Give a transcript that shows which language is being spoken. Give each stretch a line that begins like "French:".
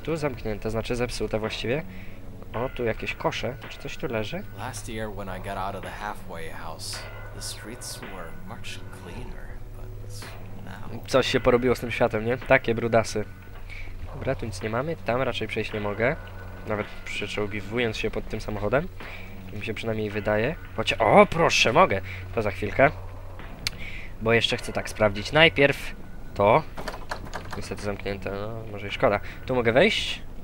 Polish: Tu zamknięte, znaczy zepsute właściwie. O, tu jakieś kosze. Czy coś tu leży?
English: Last year when I got out of the halfway house, the streets were much cleaner, but now...
Polish: Coś się porobiło z tym światem, nie? Takie brudasy. Dobra, tu nic nie mamy. Tam raczej przejść nie mogę. Nawet przyczołgiwując się pod tym samochodem. Mi się przynajmniej wydaje. Choć... O, proszę, mogę. To za chwilkę. Bo jeszcze chcę tak sprawdzić. Najpierw to... Niestety zamknięte, no może i szkoda. Tu mogę wejść?